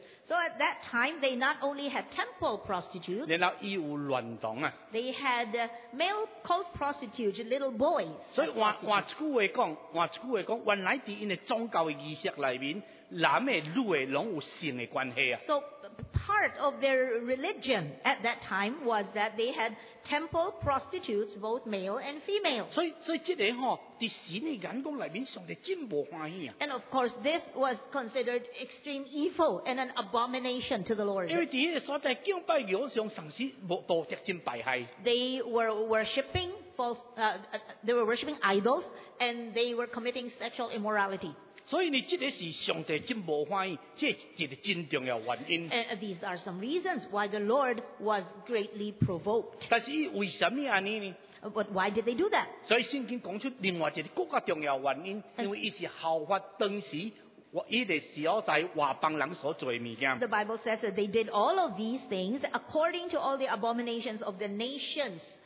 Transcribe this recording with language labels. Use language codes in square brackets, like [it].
[en] So at that time, they not only had temple prostitutes, they had male cult prostitutes, little boys. [nan] So, 换一句话讲，原来在因的宗教的仪式里面，男的、女的拢有性的关系啊。 [en] So part of their religion at that time was that they had temple prostitutes, both male and female. [nan] 所以这个吼，在神的眼光里面，上帝真不欢喜啊。 [en] And of course, this was considered extreme evil and an abomination to the Lord. [nan] 因为在那个所在敬拜偶像，上帝无道德真败坏。 [en] They were worshipping false, they were worshipping idols, and they were committing sexual immorality. [nan] 所以呢，这个是上帝真无欢喜，这是一个真重要原因。 [en] And these are some reasons why the Lord was greatly provoked. [nan] 但是伊为什么安尼呢？ [en] But why did they do that? [nan] 所以圣经讲出另外一个更加重要原因，因为伊是效法当时伊的时代外邦人所做的物件。 [en] The Bible says that they did all of these things according to all the abominations of the nations.